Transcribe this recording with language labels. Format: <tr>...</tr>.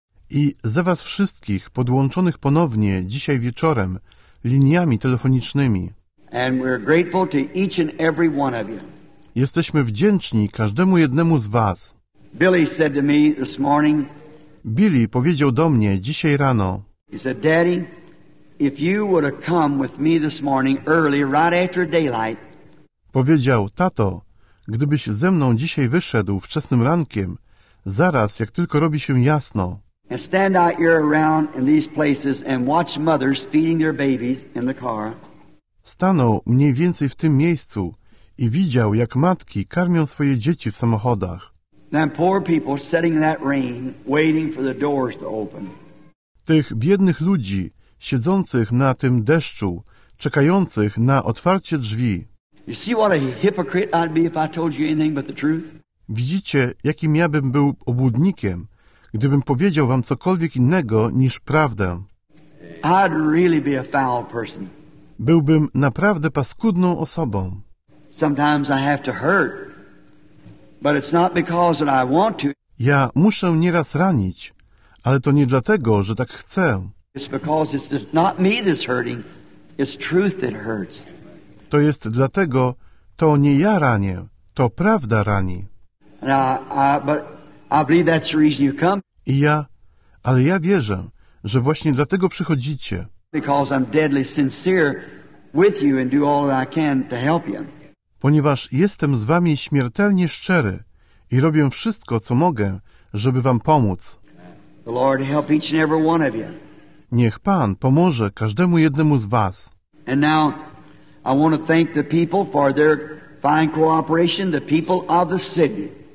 <pl>I za was wszystkich podłączonych ponownie dzisiaj wieczorem liniami telefonicznymi.</pl> <en>And we're grateful to each and every one of you.</en> <pl>Jesteśmy wdzięczni każdemu jednemu z was.</pl> <en>Billy said to me this morning.</en> <pl>Billy powiedział do mnie dzisiaj rano.</pl> <en>He said, "Daddy, if you would have come with me this morning early, right after daylight."</en> <pl>Powiedział: "Tato, gdybyś ze mną dzisiaj wyszedł wczesnym rankiem, zaraz jak tylko robi się jasno."</pl> <en>And stand out here around in these places and watch mothers feeding their babies in the car.</en> <pl>Stanął mniej więcej w tym miejscu i widział, jak matki karmią swoje dzieci w samochodach.</pl> <en>And poor people sitting in that rain, waiting for the doors to open.</en> <pl>Tych biednych ludzi siedzących na tym deszczu, czekających na otwarcie drzwi.</pl> <en>You see what a hypocrite I'd be if I told you anything but the truth?</en> <pl>Widzicie, jakim ja bym był obłudnikiem, gdybym powiedział wam cokolwiek innego niż prawdę.</pl> <en>I'd really be a foul person.</en> <pl>Byłbym naprawdę paskudną osobą.</pl> <en>Sometimes I have to hurt, but it's not because that I want to.</en> <pl>Ja muszę nieraz ranić, ale to nie dlatego, że tak chcę.</pl> <en>It's because it's not me that's hurting, it's truth that hurts.</en> <pl>To jest dlatego, to nie ja ranię, to prawda rani.</pl> <en>I believe that's the reason you come.</en> <pl>Ale ja wierzę, że właśnie dlatego przychodzicie.</pl> <en>Because I'm deadly sincere with you and do all that I can to help you.</en> <pl>Ponieważ jestem z wami śmiertelnie szczery i robię wszystko, co mogę, żeby wam pomóc.</pl> <en>The Lord help each and every one of you.</en> <pl>Niech Pan pomoże każdemu jednemu z was.</pl> <en>And now I want to thank the people for their fine cooperation, the people of the city.</en>